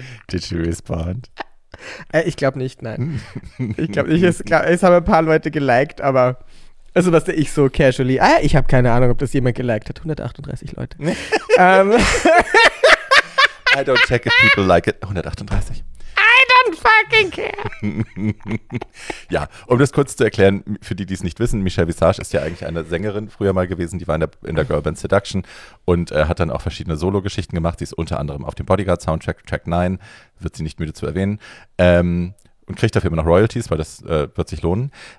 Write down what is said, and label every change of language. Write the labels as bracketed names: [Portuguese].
[English] Did she respond? [German] Ich glaube nicht, nein. Ich glaube nicht, es haben ein paar Leute geliked, aber, also was ich so casually, ich habe keine Ahnung, ob das jemand geliked hat, 138 Leute. [English] I don't check if people like it, 138. I don't fucking care. [German] Ja, um das kurz zu erklären, für die, die es nicht wissen, Michelle Visage ist ja eigentlich eine Sängerin früher mal gewesen, die war in der Girlband Seduction und hat dann auch verschiedene Solo-Geschichten gemacht, sie ist unter anderem auf dem Bodyguard-Soundtrack, Track 9, wird sie nicht müde zu erwähnen, und kriegt dafür immer noch Royalties, weil das wird sich lohnen.